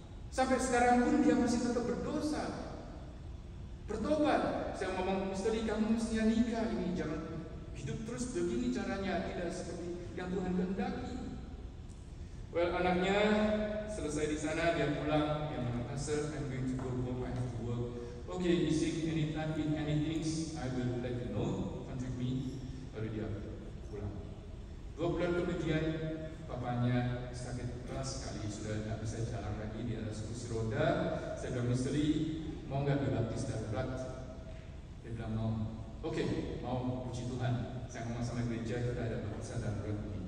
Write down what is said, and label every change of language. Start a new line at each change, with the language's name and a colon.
Indonesian: Sampai sekarang pun dia masih tetap berdosa. Bertobat. Saya ngomong, Mr. Lee, kamu mestinya nikah ini. Jangan hidup terus begini caranya, tidak seperti yang Tuhan kehendaki. Well, anaknya selesai di sana, dia pulang, dia mengatakan,
English: sir, I'm going to go home, I have to work. Okay, you see anytime in any things, I will let you know, contact me.
Indonesian: Lalu dia pulang. 2 bulan kemudian, papanya sakit keras sekali, sudah tidak bisa jalan lagi, di atas kursi roda. Saya bilang, misteri, mau enggak dibaptis dan berat? Dia bilang, mau. Okay, mau, puji Tuhan. Saya ngomong sama gereja, kita ada baptisan dan berat.